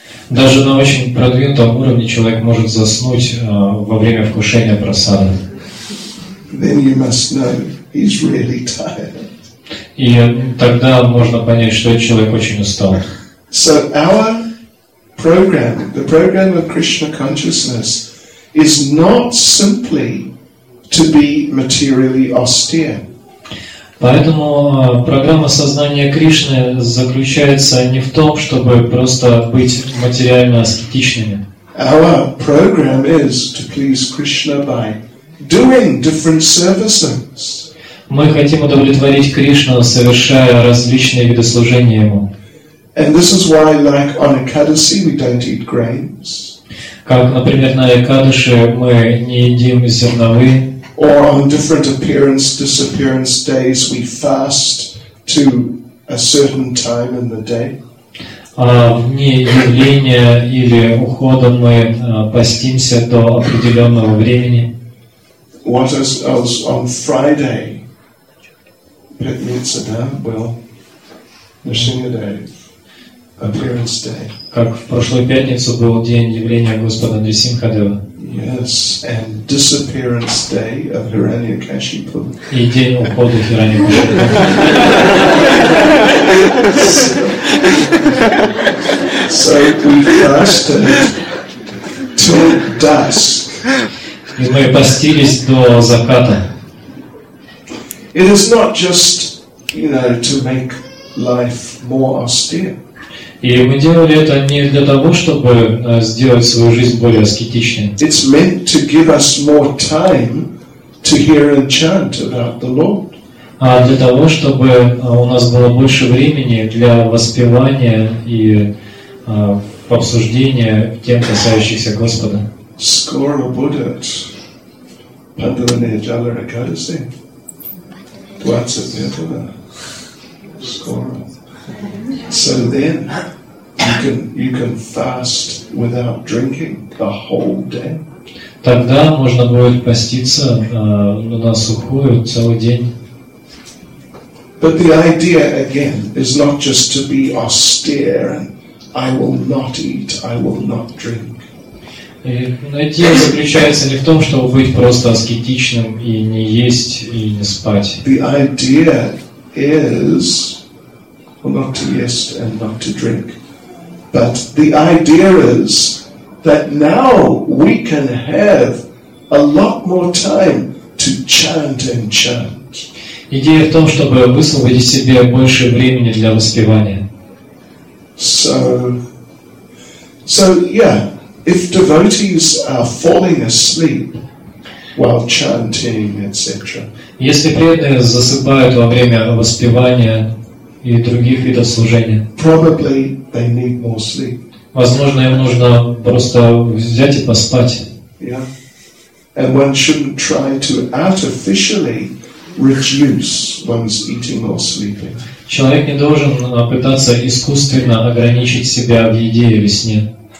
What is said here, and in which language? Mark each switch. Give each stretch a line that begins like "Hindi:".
Russian: Даже на очень продвинутом уровне человек может заснуть во время вкушения прасадам.
English: Then you must know he's really tired.
Russian: И тогда можно понять, что человек очень устал.
English: So our program, the program of Krishna consciousness, is not simply to be materially austere.
Russian: Поэтому программа сознания Кришны заключается не в том, чтобы просто быть материально аскетичными.
English: Our program is to please Krishna by doing different services.
Russian: Мы хотим удовлетворить Кришну, совершая различные виды служения Ему.
English: And this is why, like on Ekadasi, we don't eat grains.
Russian: Как, например, на Экадаше мы не едим зерновые.
English: Or on different appearance, disappearance days, we fast to a certain time in the day.
Russian: А в дни явления или ухода мы постимся до определенного времени.
English: What else on Friday?
Russian: Пятница, well, Нарсинга Дэй.
English: Appearance day.
Russian: Как в прошлую пятницу был день явления Господа Нарсимхадева.
English: Yes, and disappearance day of Hiranyakashipu.
Russian: И день ухода Hiranyakashipu.
English: So we fasted till dusk.
Russian: И мы постились до заката.
English: It is not just, you know, to make life more austere.
Russian: И мы делали это не для того, чтобы сделать свою жизнь более аскетичной.
English: It's meant to give us more time to hear and chant about the Lord.
Russian: А для того, чтобы у нас было больше времени для воспевания и обсуждения тем, касающихся Господа. Скоро будет Пандаване Джалара Кадаси. 25-го. Скоро.
English: So then, you can fast without drinking the whole day.
Russian: Тогда можно будет поститься на сухую целый день.
English: But the idea again is not just to be austere and I will not eat, I will not drink.
Russian: Идея заключается не в том, чтобы быть просто аскетичным и не есть и не спать.
English: The idea is well, not to eat and not to drink. But the idea is that now we can have a lot more time to chant and chant.
Russian: Идея в том, чтобы высвободить себе больше времени для воспевания.
English: So yeah, if devotees are falling asleep while chanting, etc.
Russian: Если преданные засыпают во время воспевания и других видов служения.
English: Probably they need more sleep.
Russian: Возможно, им нужно просто взять и поспать.
English: Yeah. And one shouldn't try to artificially reduce one's eating or sleeping.
Russian: Человек не должен пытаться искусственно ограничить себя в еде или сне.